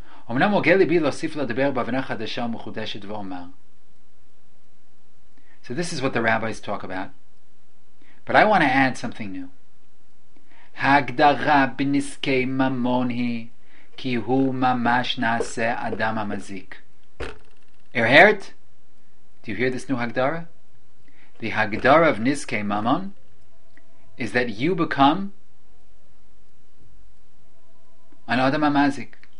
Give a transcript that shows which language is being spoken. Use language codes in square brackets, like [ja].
[he] אמנם הוגל לבי להוסיף לדבר בהבנה חדשה ומחודשת ואומר. [en] So this is what the rabbis talk about. But I want to add something new. [he] הגדרה בנזקי ממון היא כי הוא ממש נעשה אדם המזיק. Erhert? [en] Do you hear this new הגדרה? The הגדרה of נזקי ממון is that you become an אדם המזיק.